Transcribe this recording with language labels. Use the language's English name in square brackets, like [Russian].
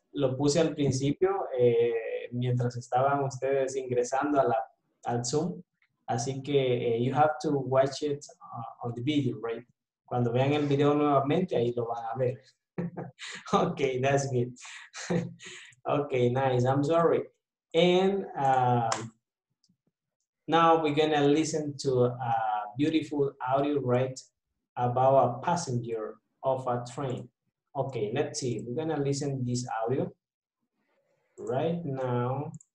[Spanish] Lo puse al principio, mientras estaban ustedes ingresando al Zoom. Así que [English] you have to watch it on the video, right? [Spanish] Cuando vean el video nuevamente, ahí lo van a ver. [English] Okay, that's good. Okay, nice. I'm sorry. And now we're going to listen to a beautiful audio, right, about a passenger of a train. Okay, let's see. We're going to listen to this audio right now.